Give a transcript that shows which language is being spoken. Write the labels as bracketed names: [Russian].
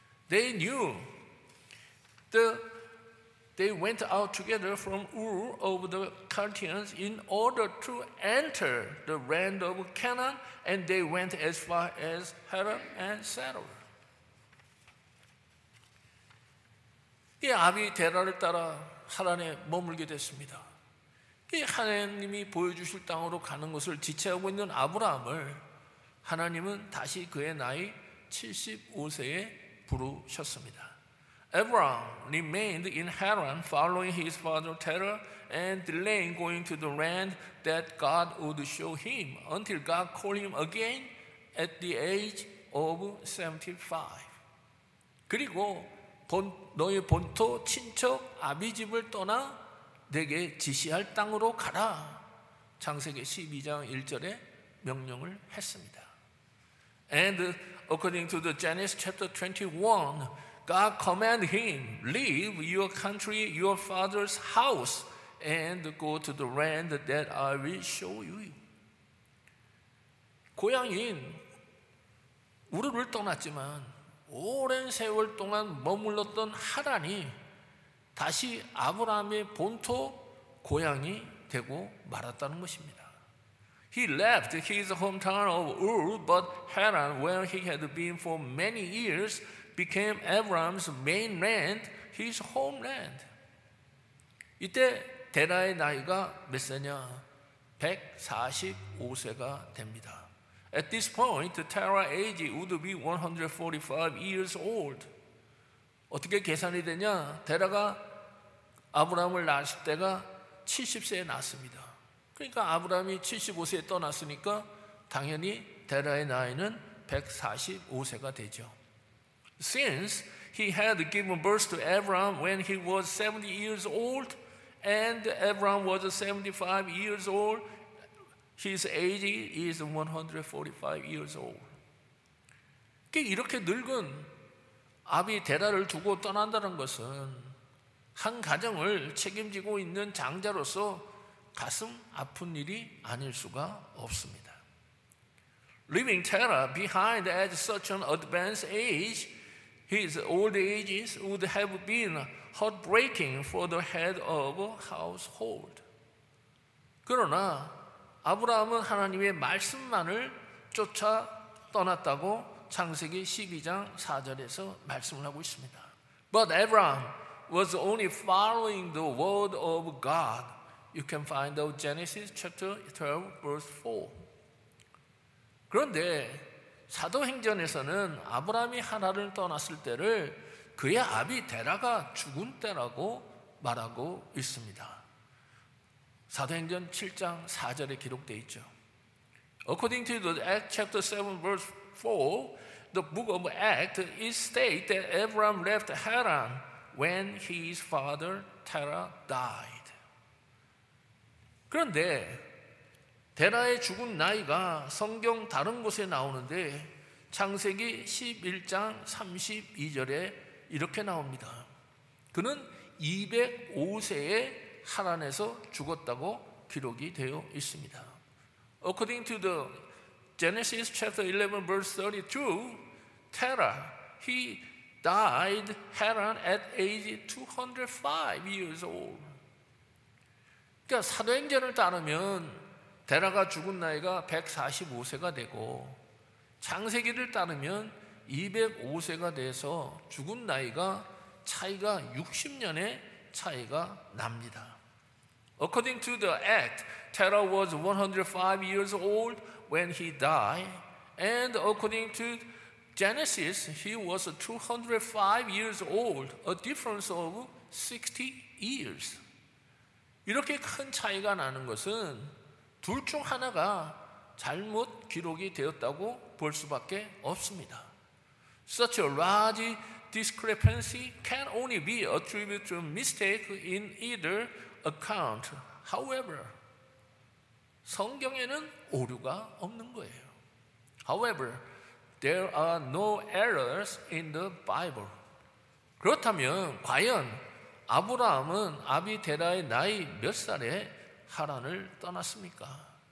[English] They knew they went out together from Ur of the Chaldeans in order to enter the land of Canaan and they went as far as Haran and settled. [Korean] 이 아비 데라를 따라 하란에 머물게 됐습니다. 이 하나님이 보여주실 땅으로 가는 것을 지체하고 있는 아브라함을 하나님은 다시 그의 나이 75세에 부르셨습니다. [English] Abraham remained in Haran following his father Terah and delaying going to the land that God would show him until God called him again at the age of 75. [Korean] 그리고 너의 본토 친척 아비 집을 떠나 내게 지시할 땅으로 가라. 창세기 12장 1절에 명령을 했습니다. [English] And according to the Genesis chapter 21, God commanded him, leave your country, your father's house, and go to the land that I will show you. [Korean] 고향인 우르를 떠났지만 오랜 세월 동안 머물렀던 하란이 다시 아브라함의 본토 고향이 되고 말았다는 것입니다. [English] He left his hometown of Ur, but Haran, where he had been for many years, became Abraham's mainland, his homeland. [Korean] 이때 데라의 나이가 몇 세냐? 145세가 됩니다. [English] At this point, Terah's age would be 145 years old. [Korean] 어떻게 계산이 되냐? 데라가 아브라함을 낳았을 때가 70세에 낳았습니다. 그러니까 아브라함이 75세에 떠났으니까 당연히 데라의 나이는 145세가 되죠. [English] Since he had given birth to Abraham when he was 70 years old and Abraham was 75 years old, His age is 145 years old. [Korean] 이렇게 늙은 아비 데라를 두고 떠난다는 것은 한 가정을 책임지고 있는 장자로서 가슴 아픈 일이 아닐 수가 없습니다. [English] Leaving Terah behind at such an advanced age, his old age would have been heartbreaking for the head of a household. [Korean] 그러나 아브라함은 하나님의 말씀만을 쫓아 떠났다고 창세기 12장 4절에서 말씀을 하고 있습니다. [English] But Abraham was only following the word of God. You can find out Genesis chapter 12 verse 4. [Korean] 그런데 사도행전에서는 아브라함이 하란을 떠났을 때를 그의 아비 데라가 죽은 때라고 말하고 있습니다. 사도행전 7장 4절에 기록되어 있죠. [English] According to the Acts chapter 7 verse 4, the book of Acts it states that Abraham left Haran when his father Terah died. [Korean] 그런데 데라의 죽은 나이가 성경 다른 곳에 나오는데 창세기 11장 32절에 이렇게 나옵니다. 그는 205세에 하란에서 죽었다고 기록이 되어 있습니다. [English] According to the Genesis chapter 11 verse 32, Terah, he died Haran at age 205 years old. [Korean] 그러니까 사도행전을 따르면 데라가 죽은 나이가 145세가 되고 창세기를 따르면 205세가 돼서 죽은 나이가 차이가 60년의 차이가 납니다. [English] According to the act, Terah was 105 years old when he died. And according to Genesis, he was 205 years old, a difference of 60 years. [Korean] 이렇게 큰 차이가 나는 것은 둘 중 하나가 잘못 기록이 되었다고 볼 수밖에 없습니다. [English] Such a large discrepancy can only be attributed to a mistake in either account. However, [Korean] 성경에는 오류가 없는 거예요. [English] However, there are no errors in the Bible. [Korean] 그렇다면 과연 아브라함은 아비 데라의 나이 몇 살에 하란을 떠났습니까?